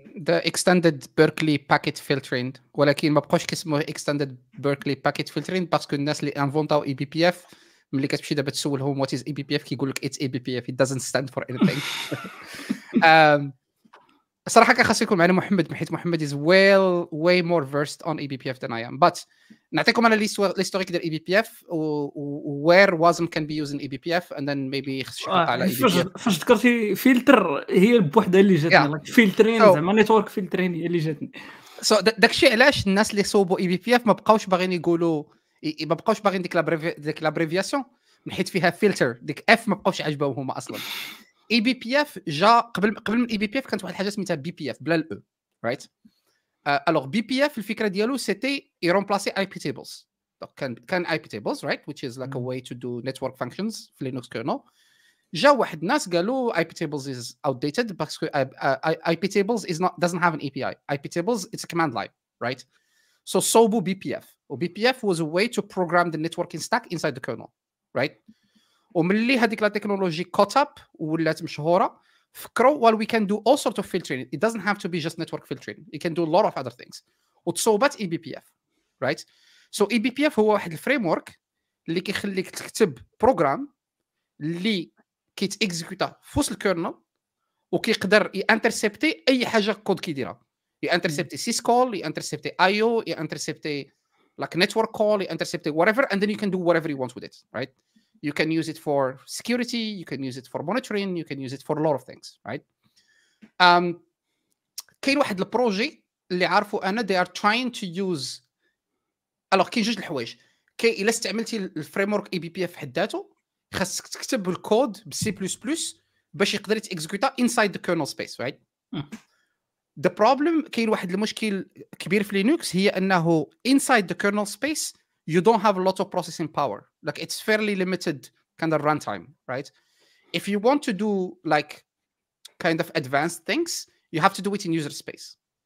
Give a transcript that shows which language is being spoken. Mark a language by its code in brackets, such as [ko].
[en] The extended Berkeley packet filtering, [ar] ولكن ما بقاش كيسموه extended Berkeley packet filtering باسكو الناس اللي انفونطاو eBPF ملي كتمشي دابا تسولهم [en] what is eBPF [ar] كيقول لك [en] it's eBPF it doesn't stand for anything. [ar] صراحه كخاص يكون معنا محمد حيت محمد [en] is well way more versed on eBPF than I am, but [ar] نعطيكم انا الهيستوريك ديال eBPF [en] where WASM can be used in eBPF and then maybe [ar] خصك تعطي على eBPF. فاش ذكرتي فلتر هي بوحدها اللي جاتني فلترين زعما نيتورك فلترين هي اللي جاتني. سو داكشي علاش الناس اللي صوبوا eBPF ما بقاوش باغيين يقولوا ما بقاوش باغيين ديك لابريفياسيون حيت فيها فلتر ديك اف ما بقاوش عجبوهم اصلا. eBPF جا قبل من eBPF كانت واحد الحاجه سميتها BPF بلا الاو رايت. الوغ BPF الفكره ديالو سيتي يرومبلاسي IP tables. دونك كان [en] IP tables right which is like a way to do network functions في Linux kernel. [ar] جا واحد الناس قالوا [en] IP tables is outdated [ar] باسكو [en] IP tables is not doesn't have an API. IP tables it's a command line right. So [ar] صوبوا [en] BPF و BPF was a way to program the networking stack inside the kernel right. [ar] وملي هذيك لا تكنولوجي كوت اب ولات مشهوره فكروا [en] well, we can do all sort of filtering it doesn't have to be just network filtering you can do a lot of other things [ar] وتصوبات [en] eBPF right. [ar] So eBPF هو واحد الفريم ورك اللي كيخليك تكتب بروغرام اللي كيت اكزيكوتا فوس الكيرنل وكيقدر انترسبتي اي حاجه كود كيديرها انترسبتي سيس كول انترسبتي ايو انترسبتي لايك نتورك كول انترسبتي [en] whatever and then you can do whatever you want with it right. You can use it for security, you can use it for monitoring, you can use it for a lot of things, right? [ar] كاين واحد البروجي اللي عارفو انا [en] they are trying to use [ar] الوغ كاين جوج الحوايج كاين الا استعملتي الفريمورك اي بي بي اف حد ذاته خاصك تكتب الكود بسي بلس بلس باش يقدر يتكزيكوتا [en] inside the kernel space right. The problem [ar] كاين واحد المشكل كبير في لينكس هي انه [en] inside the kernel space you don't have a lot of processing power. Like it's fairly limited kind of runtime, right? If you want to do like kind of advanced things, you have to do it in user space.